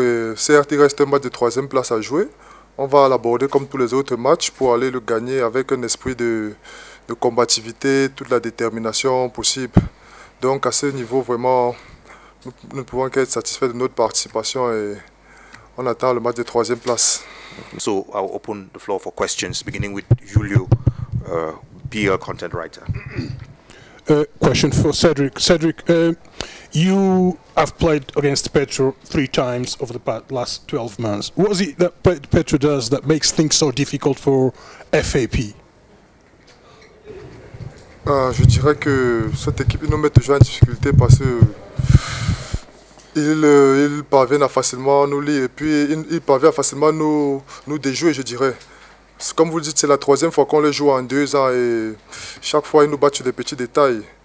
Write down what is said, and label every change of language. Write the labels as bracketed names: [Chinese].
[French] Et certes, il reste un match de troisième place à jouer. On va l'aborder comme tous les autres matchs pour aller le gagner avec un esprit de combativité, toute la détermination possible. Donc, à ce niveau, vraiment, nous ne pouvons qu'être satisfaits de notre participation et on attend le match de troisième place. [English] So I'll open the floor for questions, beginning with Julio, BL content writer. question for Cedric. Cedric, you have played against Petro three times over the last 12 months. What is it that Petro does that makes things so difficult for FAP? [French] Je dirais que cette équipe nous met toujours en difficulté parce qu'ils parviennent à facilement nous lire et puis ils parviennent à facilement nous déjouer, je dirais. Comme vous le dites, c'est la troisième fois qu'on les joue en deux ans et chaque fois ils nous battent sur des petits détails.